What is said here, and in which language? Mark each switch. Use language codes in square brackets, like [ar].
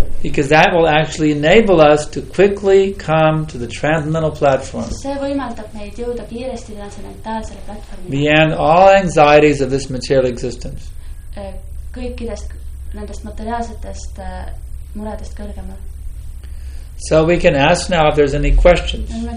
[en] because that will actually enable us to quickly come to the transcendental platform. [et] See võimaldab meid jõuda kiiresti transcendentaalsele platformile. [en] Beyond all anxieties of this material existence. [et] Kõikidest nendest materiaalsetest muredest kõrgemal. [en] So we can ask now if there's any questions.